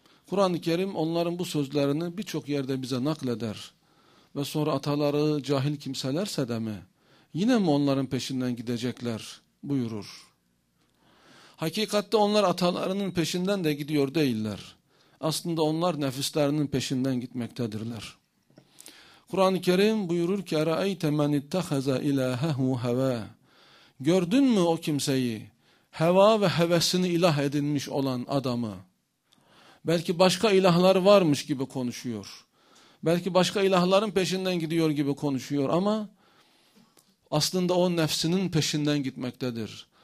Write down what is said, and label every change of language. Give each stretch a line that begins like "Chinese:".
Turkish: Kur'an-ı Kerim onların bu sözlerini birçok yerde bize nakleder. Ve sonra ataları cahil kimselerse de mi, yine mi onların peşinden gidecekler buyurur. Hakikatte onlar atalarının peşinden de gidiyor değiller. Aslında onlar nefislerinin peşinden gitmektedirler. Kur'an-ı Kerim buyurur ki
Arabic: اَرَأَيْتَ مَنِ اتَّخَذَ اِلَٰهَهُ هَوَى.
Turkish: Gördün mü o kimseyi, heva ve hevesini ilah edinmiş olan adamı? Belki başka ilahlar varmış gibi konuşuyor. Belki başka ilahların peşinden gidiyor gibi konuşuyor ama aslında o nefsinin peşinden gitmektedir.